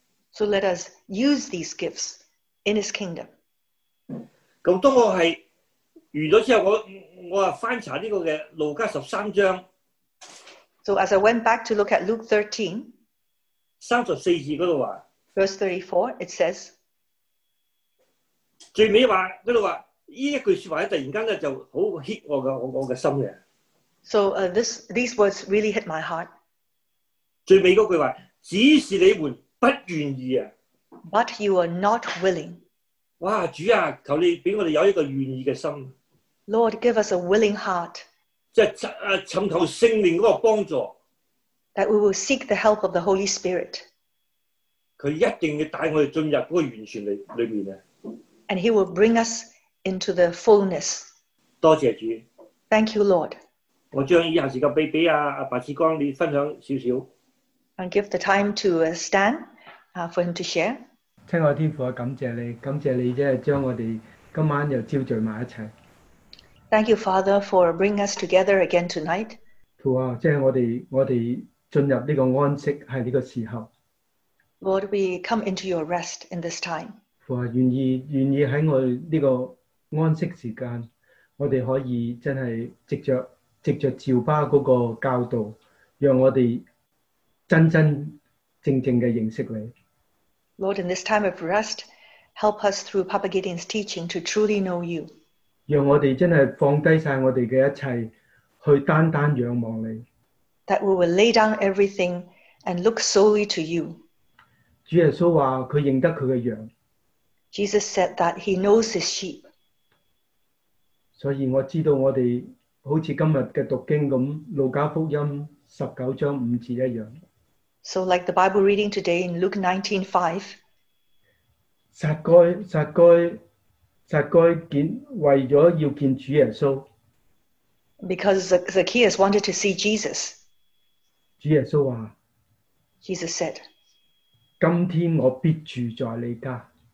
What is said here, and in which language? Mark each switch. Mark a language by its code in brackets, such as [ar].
[en] So let us use these gifts in His kingdom. [yue] 咁当我系完咗之后，我啊翻查呢个嘅路加十三章。 [en] So as I went back to look at Luke 13, [yue] 三十四节嗰度话 [en] ，Verse 34, it says， [yue] 最尾话嗰度话呢一句说话咧，突然间咧就好 hit 我嘅心嘅。 [en] So these words really hit my heart。 [yue] 最尾嗰句话，只是你们不愿意啊。 [en] But you are not willing. [yue] 哇，主啊，求你俾我哋有一个愿意嘅心。 [en] Lord, give us a willing heart. [yue] 即系寻求圣灵嗰个帮助。 [en] That we will seek the help of the Holy Spirit. [yue] 佢一定要带我哋进入嗰个完全里面啊。 [en] And He will bring us into the fullness. [yue] 多谢主。 [en] Thank you, Lord. [yue] 我将以下时间俾白志光你分享少少。 [en] And give the time to Stan, for him to share. [yue] 亲爱天父，感谢你，感谢你即系将我哋今晚又召聚埋一齐。 [en] Thank you, Father, for bringing us together again tonight. [yue] 父啊，即系我哋进入呢个安息喺呢个时候。 [en] Lord, we come into your rest in this time. [yue] 父啊，愿意喺我呢个安息时间，我哋可以真系藉着召巴嗰个教导，让我哋。真真正正的认识你。 [en] Lord, in this time of rest, help us through Papa Gideon's teaching to truly know you. [yue] 让我们真的放低晒我们的一切，去单单仰望你。 [en] That we will lay down everything and look solely to you. [yue] 主耶稣说他认得他的羊。 [en] Jesus said that he knows his sheep. [yue] 所以我知道我们好像今天的读经那样，路加福音十九章五节一样。 [en] So like the Bible reading today in Luke 19:5. [yue] 撒该见为咗要见主耶稣。 [en] Because Zacchaeus wanted to see Jesus. [yue] 主耶稣话。 [en] Jesus said. [yue] 今天我必住在你家。